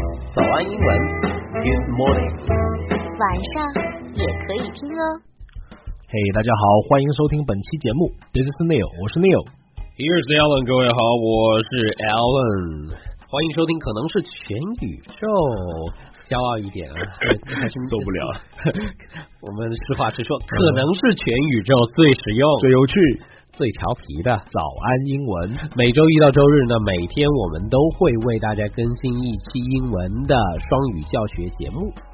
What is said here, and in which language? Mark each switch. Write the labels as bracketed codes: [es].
[zh] 早安英文 ， [en] Good morning。 [zh] 晚上也可以听哦。 Hey， 大家好，欢迎收听本期节目。 [en] This is Neil， [zh] 我是 Neil。 [en] Here's Alan， [zh] 各位好，我是 Alan。欢迎收听，可能是全宇宙。骄傲一点啊，受不了。我们实话实说，可能是全宇宙最实用、最有趣、最调皮的早安英文。每周一到周日呢，每天我们都会为大家更新一期英文的双语教学节目。